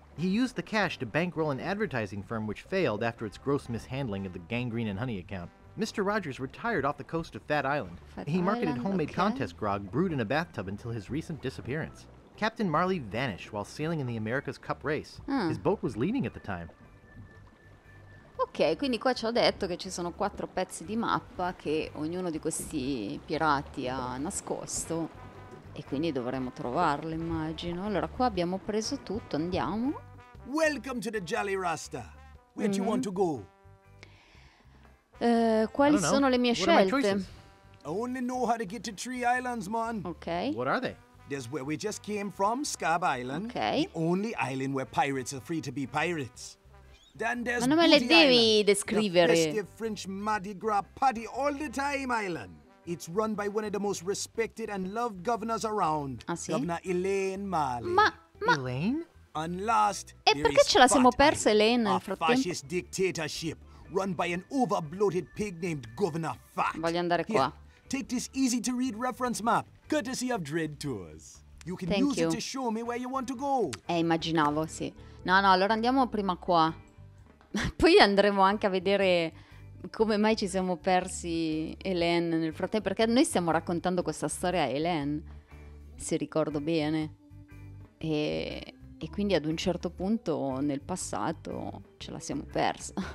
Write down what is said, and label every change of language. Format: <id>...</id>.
<en>He used the cash to bankroll an advertising firm which failed after its gross mishandling of the gangrene and honey account. Mr. Rogers retired off the coast of Fat Island. He marketed homemade contest grog brewed in a bathtub until his recent disappearance. Captain Marley vanished while sailing in the America's Cup race. His boat was leaving at the time.</en> <it>Ok, quindi qua ci ho detto che ci sono 4 pezzi di mappa che ognuno di questi pirati ha nascosto e quindi dovremo trovarle, immagino. Allora, qua abbiamo preso tutto, andiamo.</it> <en>Welcome to the Jolly Rasta. Where do you want to go?</en> <it>Quali sono le mie scelte?</it> <en>I only know how to get to Tree Islands, man. Ok. What are they? There's where we just came from, Scab Island. Okay. The only island where pirates are free to be pirates. Then</en> <it>ma non me le devi descrivere.</it> <en>The festive French Mardi Gras party all the time island. It's run by one of the most respected and loved governors around.</en> <it>Ah, sì?</it> <en>Governor Elaine Marley.</en> <it>Ma Elaine?</it> <en>And last,</en> <it>e perché ce la siamo persa Elaine nel frattempo?</it> <en>A fascist dictatorship run by an overbloated pig named Governor Fat.</en> <it>Voglio andare qua.</it> <en>Here, take this easy to read reference map, courtesy of Dread Tours. You can Thank use you. It to show me where you want to go.</en> <it>Immaginavo, sì. No, allora andiamo prima qua. Poi andremo anche a vedere come mai ci siamo persi Elaine nel frattempo, perché noi stiamo raccontando questa storia a Elaine, se ricordo bene, e quindi ad un certo punto nel passato ce la siamo persa.</it>